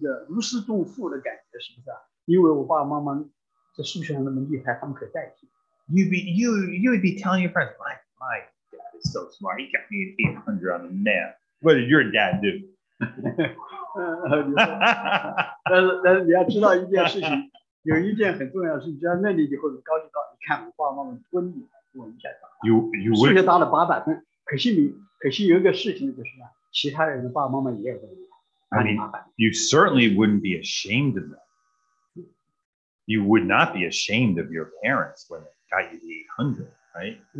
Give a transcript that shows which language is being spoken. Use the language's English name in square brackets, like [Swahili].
[Chinese] 哎呀，你但是你会有一个极其放松的一个如释重负的感觉，是不是啊？因为我爸爸妈妈。 [English] You would be telling your friends, my dad is so smart. He got me an 800 on the math. What did your dad do? [Chinese] 但是你要知道一件事情，有一件很重要的事情，就在那里以后，你高级高，你看我爸爸妈妈温你，温一下。你数学答了800分，可是有一个事情就是啊，其他人的爸爸妈妈也有温你。 [English] I mean, you certainly wouldn't be ashamed of that. You would not be ashamed of your parents when they got you the 800, right?